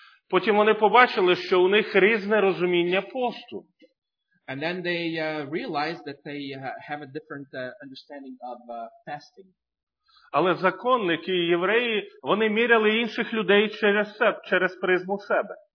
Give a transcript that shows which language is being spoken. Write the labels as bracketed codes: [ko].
[uk] Потім вони побачили, що у них різне розуміння посту. [en] And then they realized that they have a different understanding of fasting. [uk] Але законники і євреї, вони міряли інших людей через призму себе.